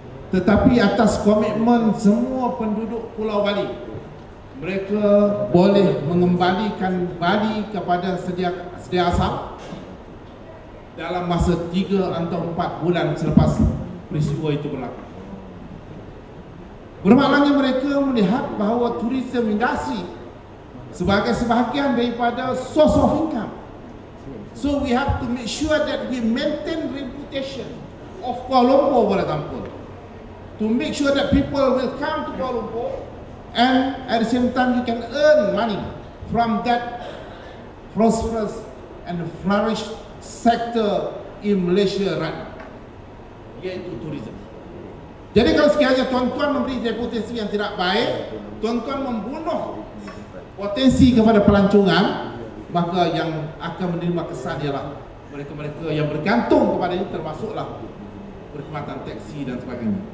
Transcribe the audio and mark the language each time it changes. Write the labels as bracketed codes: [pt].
[ms] Tetapi atas komitmen semua penduduk Pulau Bali, mereka boleh mengembalikan Bali kepada sedia asal dalam masa 3 atau 4 bulan selepas peristiwa itu berlaku. Bermaklumnya mereka melihat bahawa tourism industry sebagai sebahagian daripada source of income. [en] So we have to make sure that we maintain reputation of Kuala Lumpur, for example, to make sure that people will come to Kuala Lumpur and at the same time you can earn money from that prosperous and flourish sector in Malaysia right now, iaitu tourism. [ms] Jadi kalau sekiranya tuan-tuan memberi reputasi yang tidak baik, tuan-tuan membunuh potensi kepada pelancongan, maka yang akan menerima kesan ialah mereka-mereka yang bergantung kepada ini, termasuklah perkhidmatan taksi dan sebagainya.